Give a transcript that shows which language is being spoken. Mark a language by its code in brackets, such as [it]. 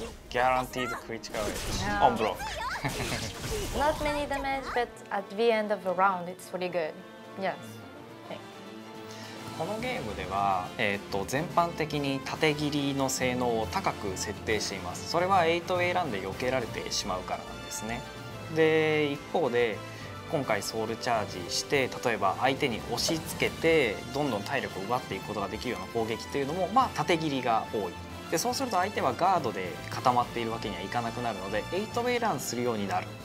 [en] ギャランティーズクリティカルエッジオンブロック Not many damage, but at the end of the round it's really goodYes. [ja] このゲームでは、全般的に縦切りの性能を高く設定しています。それは 8A ランで避けられてしまうからなんですね。で、一方で今回ソウルチャージして、例えば相手に押し付けてどんどん体力を奪っていくことができるような攻撃というのも、まあ、縦切りが多いで、そうすると相手はガードで固まっているわけにはいかなくなるので 8A ランするようになる。